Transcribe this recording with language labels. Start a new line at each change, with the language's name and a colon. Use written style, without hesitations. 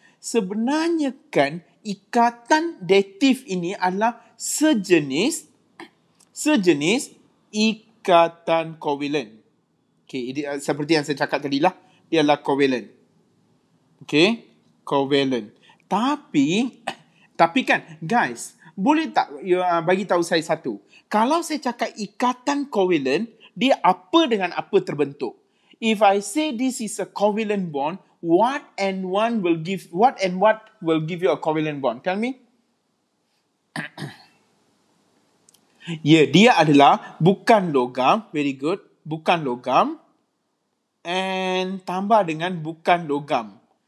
Malay: Sebenarnya kan, ikatan datif ini adalah sejenis ikatan covalent. Okay, ini seperti yang saya cakap tadi lah, dia adalah covalent. Okay, covalent. Tapi kan, guys, boleh tak you bagi tahu saya satu? Kalau saya cakap ikatan covalent, dia apa dengan apa terbentuk?
English: If I say this is a covalent bond, What and what will give you a covalent bond? Tell me.
Malay: Yeah, dia adalah bukan logam.
English: Very good.
Malay: Bukan logam. And tambah dengan bukan logam.